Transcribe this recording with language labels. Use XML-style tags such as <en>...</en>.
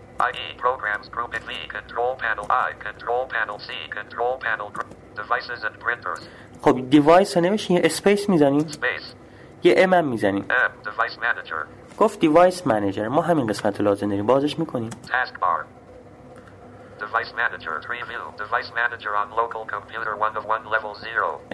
<en>IE programs group IV control panel I control panel C control panel devices and printers.</en> <fa>خب دیوایس رو نمیشین، یه اسپیس میزنین، یه ام هم میزنین،</fa> <en>device manager.</en> <fa>گفت device manager، ما همین قسمت رو لازم داریم، بازش میکنیم.</fa> <en>taskbar device manager preview device manager on local computer 1 of 1 level 0.</en>